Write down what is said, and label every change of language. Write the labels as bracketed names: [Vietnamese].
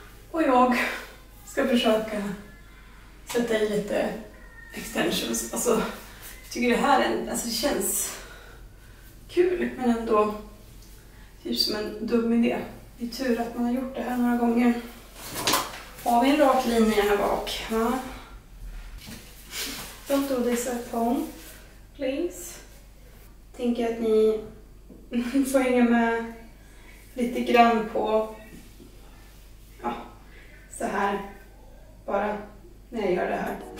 [Swedish] Och jag ska försöka sätta i lite extensions. Alltså, jag tycker det här alltså, det känns kul, men ändå typ som en dum idé. Det är tur att man har gjort det här några gånger. Har vi en rak linje här bak, va? [English] Don't do this at home, please. [Swedish] Tänker att ni får hänga med lite grann på, ja, så här, bara när jag gör det här.